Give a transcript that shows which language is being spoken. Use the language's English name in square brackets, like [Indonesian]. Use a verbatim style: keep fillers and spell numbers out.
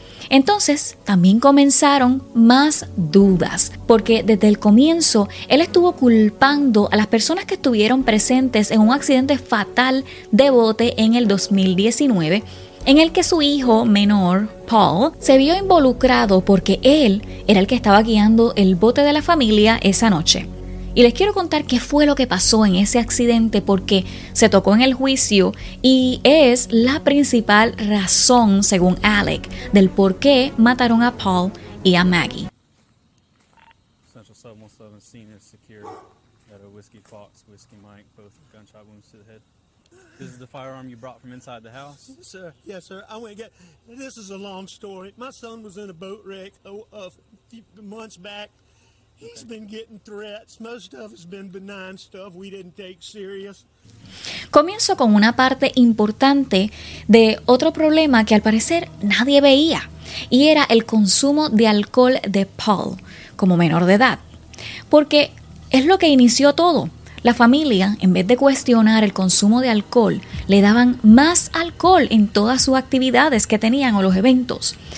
[Spanish] Entonces también comenzaron más dudas, porque desde el comienzo él estuvo culpando a las personas que estuvieron presentes en un accidente fatal de bote en el dos mil diecinueve, en el que su hijo menor, Paul, se vio involucrado porque él era el que estaba guiando el bote de la familia esa noche. Y les quiero contar qué fue lo que pasó en ese accidente, porque se tocó en el juicio y es la principal razón, según Alec, del por qué mataron a Paul y a Maggie. [English] Central seven one seven, senior security at a Whiskey Fox, Whiskey Mike, both gunshot wounds to the head. This is the firearm you brought from inside the house? Yes, sir. Yes, sir. I went and got... This is a long story. My son was in a boat wreck oh, uh, months back. He's been getting threats. Most of it's been benign stuff we didn't take serious. [Spanish] Comienzo con una parte importante de otro problema que al parecer nadie veía, y era el consumo de alcohol de Paul como menor de edad, porque es lo que inició todo. La familia, en vez de cuestionar el consumo de alcohol, le daban más alcohol en todas sus actividades que tenían o los eventos.